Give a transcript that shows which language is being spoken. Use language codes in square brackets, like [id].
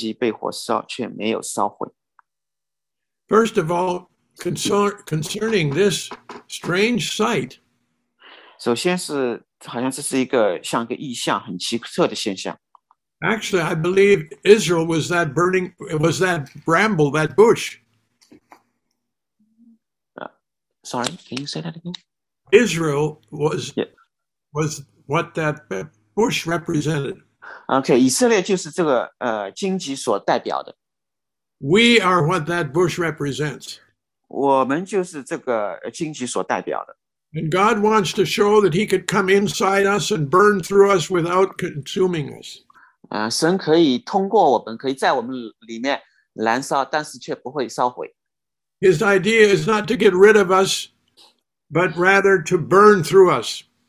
[zh] 耶和华的使者从荆棘中，荆棘里火焰中向摩西显现。摩西观看不料，荆棘被火烧，却没有烧毁。 [en] First of all, concerning this strange sight. [zh] 首先是好像这是一个像个异象，很奇特的现象。 [en] Actually, I believe Israel was that burning, was that bramble, that bush. Sorry, can you say that again? Israel was was what that bush represented. [zh] Okay, 以色列就是这个荆棘所代表的。 [en] We are what that bush represents. [zh] 我们就是这个荆棘所代表的。 [en] And God wants to show that he could come inside us and burn through us without consuming us. [zh] 神可以通过我们，可以在我们里面燃烧，但是却不会烧毁。 [en] His idea is not to get rid of us, but rather to burn through us.